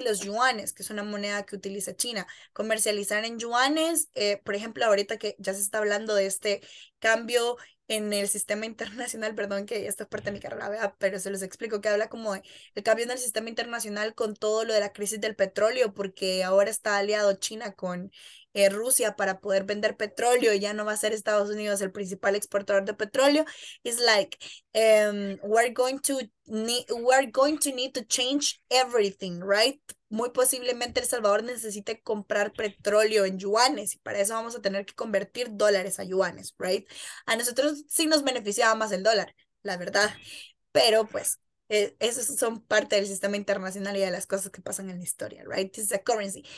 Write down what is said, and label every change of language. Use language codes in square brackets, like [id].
[es] Los yuanes, que es una moneda que utiliza China. Comercializar en yuanes, por ejemplo, ahorita que ya se está hablando de este cambio en el sistema internacional, perdón que esto es parte de mi carrera, ¿verdad? Pero se los explico, que habla como el cambio en el sistema internacional con todo lo de la crisis del petróleo, porque ahora está aliado China con Rusia para poder vender petróleo, y ya no va a ser Estados Unidos el principal exportador de petróleo. [en] It's like, we're going to need to change everything, right? [es] Muy posiblemente El Salvador necesite comprar petróleo en yuanes, y para eso vamos a tener que convertir dólares a yuanes, right? A nosotros sí nos beneficiaba más el dólar, la verdad, pero pues, esos son parte del sistema internacional y de las cosas que pasan en la historia, right? [en] This is a currency.